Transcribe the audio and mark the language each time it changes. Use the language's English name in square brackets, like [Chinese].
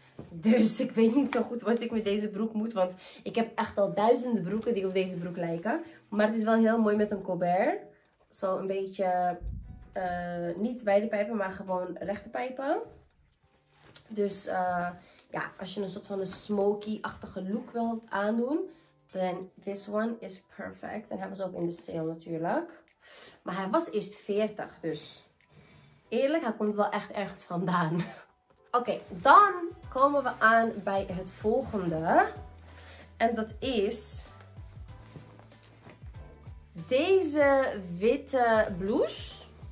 [Dutch] Dus ik weet niet zo goed wat ik met deze broek moet. Want ik heb echt al duizenden broeken die op deze broek lijken. Maar het is wel heel mooi met een colbert. Zo een beetje, niet wijde pijpen, maar gewoon rechte pijpen. Dus ja, als je een soort van een smoky-achtige look wilt aandoen. [English] Then this one is perfect. [Dutch] En hij was ook in de sale natuurlijk. Maar hij was eerst 40. Dus eerlijk, hij komt wel echt ergens vandaan. Oké, okay, dan komen we aan bij het volgende. En dat is deze witte blouse.